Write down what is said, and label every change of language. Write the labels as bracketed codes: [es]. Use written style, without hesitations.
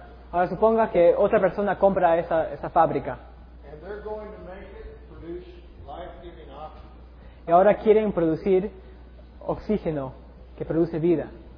[es] Ahora suponga que otra persona compra esa fábrica. [en] And they're going to make it produce life-giving [es] oxygen. Y ahora quieren producir oxígeno que produce vida.